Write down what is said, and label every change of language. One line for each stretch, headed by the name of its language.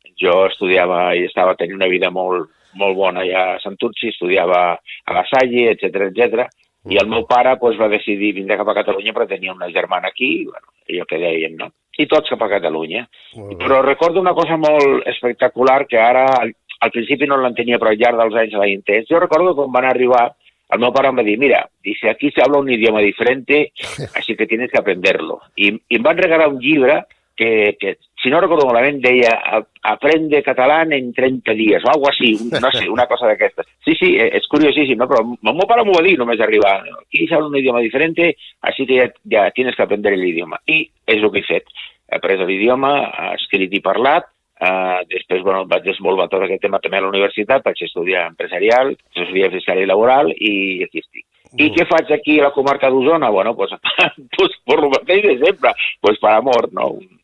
Catalan: Jo estudiava i estava tenint una vida molt bona allà a Santurci, estudiava a la Salle, etc. I el meu pare doncs, va decidir vindre cap a Catalunya perquè tenia una germana aquí, bueno, allò que dèiem, no? I tots cap a Catalunya. Però recordo una cosa molt espectacular que ara, al principi no l'entenia, però al llarg dels anys l'he entès. Jo recordo quan van arribar El meu pare em va dir, mira,
Spanish: dice, aquí se habla un idioma diferente, así que tienes que aprenderlo.
Catalan: I em van regalar un llibre que si no recordo malament, deia aprende català en 30 dies,
Spanish: o algo así,
Catalan: no sé, una cosa d'aquestes. Sí, sí, és curiosíssim, no? Però el meu pare m'ho va dir només arribar.
Spanish: Aquí se habla un idioma diferente, así que ya tienes que aprender el idioma.
Catalan: I és el que he fet. He après l'idioma, escrit i parlat, després bueno, vaig desenvolupar tot aquest tema també a la universitat, vaig estudiar empresarial, estudiar fiscal i laboral i aquí estic. I què faig aquí a la comarca d'Osona? Bueno,
Spanish: pues, pues por lo
Catalan: mateix de sempre, pues per amor, no?